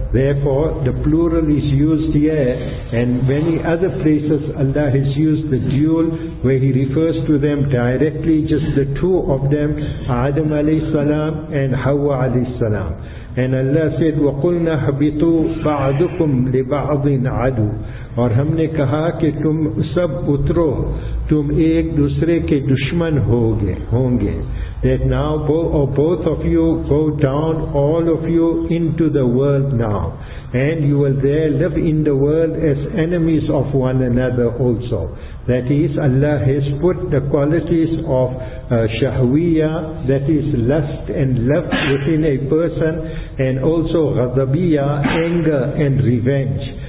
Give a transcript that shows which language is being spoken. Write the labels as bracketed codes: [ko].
[en] Therefore, the plural is used here, and many other places Allah has used the dual, where He refers to them directly, just the two of them, Adam alayhi salam and Hawa alayhi salam. And Allah said, [ar] وَقُلْنَا اهْبِطُوا بَعْضُكُمْ لِبَعْضٍ عَدُوٌ. [ur] اور ہم نے کہا کہ تم سب اترو, تم ایک دوسرے کے دشمن ہوں گے. [en] That now both of you go down, all of you, into the world now. And you will there live in the world as enemies of one another also. That is, Allah has put the qualities of shahwiya, that is lust and love within a person, and also ghadabiya, anger and revenge.